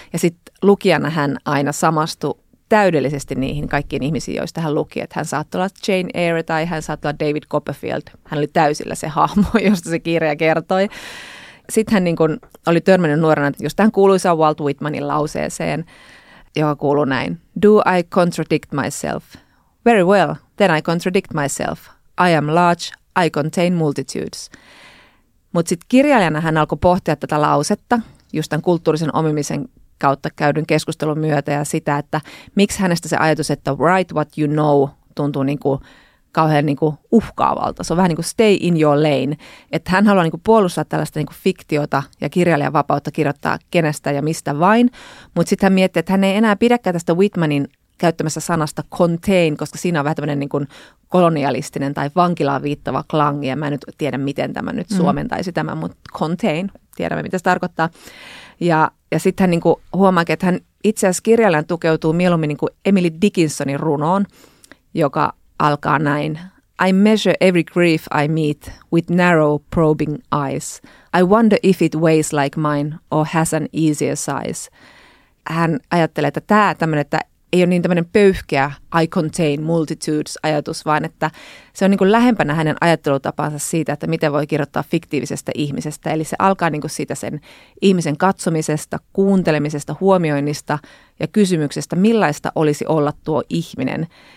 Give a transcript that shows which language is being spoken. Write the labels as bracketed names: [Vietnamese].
[Finnish] Ja sitten lukijana hän aina samastui täydellisesti niihin kaikkiin ihmisiin, joista hän luki. Että hän saattoi olla Jane Eyre tai hän saattoi olla David Copperfield. Hän oli täysillä se hahmo, josta se kirja kertoi. Sitten hän niin kuin oli törmännyt nuorena just tähän kuuluisaan Walt Whitmanin lauseeseen, joka kuului näin. [English] Do I contradict myself? Very well, then I contradict myself. I am large. I contain multitudes. [Finnish] Mutta sitten kirjailijana hän alkoi pohtia tätä lausetta, just tämän kulttuurisen omimisen kautta käydyn keskustelun myötä ja sitä, että miksi hänestä se ajatus, että [English] write what you know, [Finnish] tuntuu niinku kauhean niinku uhkaavalta. Se on vähän niin kuin [English] stay in your lane, [Finnish] että hän haluaa niinku puolustaa tällaista niinku fiktiota ja kirjailijan vapautta kirjoittaa kenestä ja mistä vain, mutta sitten hän miettii, että hän ei enää pidäkään tästä Whitmanin käyttämässä sanasta contain, koska siinä on vähän tämmöinen niin kuin kolonialistinen tai vankilaan viittava klangi, ja mä en nyt tiedä, miten tämä nyt suomentaisi tämän, mutta contain, tiedämme, mitä se tarkoittaa. Ja sitten hän niin kuin huomaa, että hän itse asiassa kirjallaan tukeutuu mieluummin niin kuin Emily Dickinsonin runoon, joka alkaa näin. [English] I measure every grief I meet with narrow probing eyes. I wonder if it weighs like mine or has an easier size. [Finnish] Hän ajattelee, että tämä tämmöinen, että ei ole niin tämmöinen pöyhkeä [English] I contain multitudes [Finnish] ajatus, vaan että se on niin kuin lähempänä hänen ajattelutapansa siitä, että miten voi kirjoittaa fiktiivisestä ihmisestä. Eli se alkaa niin kuin siitä sen ihmisen katsomisesta, kuuntelemisesta, huomioinnista ja kysymyksestä, millaista olisi olla tuo ihminen.